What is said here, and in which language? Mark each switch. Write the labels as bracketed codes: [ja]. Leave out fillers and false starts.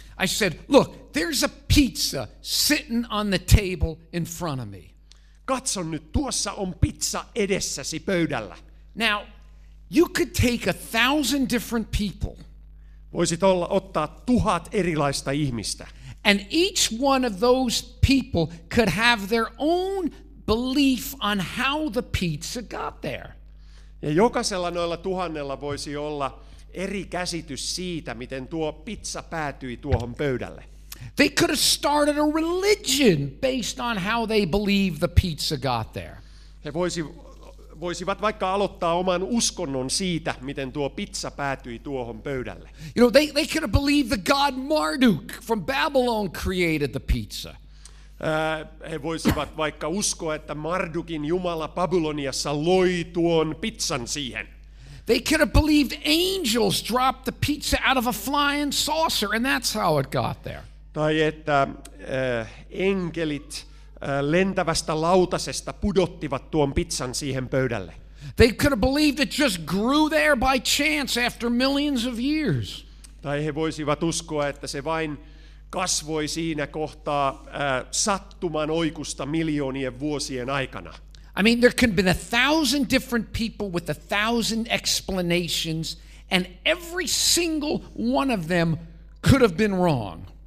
[en] I said, look, there's a pizza sitting on the table in front of me. [fi] Katso nyt, tuossa on pizza edessäsi pöydällä. [en] Now, you could take 1,000 different people. [fi] Voisit olla ottaa 1,000 erilaista ihmistä. [en] And each one of those people could have their own belief on how the pizza got there. [fi] Ja jokaisella noilla 1,000:lla voisi olla eri käsitys siitä, miten tuo pizza päätyi tuohon pöydälle. [en] They could have started a religion based on how they believe the pizza got there. [fi] He voisivat vaikka aloittaa oman uskonnon siitä, miten tuo pizza päätyi tuohon pöydälle. [en] You know, they could have believed the god Marduk from Babylon created the pizza. [fi] He voisivat vaikka uskoa, että Mardukin jumala Babyloniassa loi tuon pizzan siihen. [en] They could have believed angels dropped the pizza out of a flying saucer, and that's how it got there. [fi] Tai että enkelit lentävästä lautasesta pudottivat tuon pizzan siihen pöydälle. [en] They could have believed it just grew there by chance after millions of years. [fi] Tai he voisivat uskoa, että se vain kasvoi siinä kohtaa sattuman oikusta miljoonien vuosien aikana. [en] I mean, there could have been 1,000 different people with 1,000 explanations, and every single one of them could have been wrong.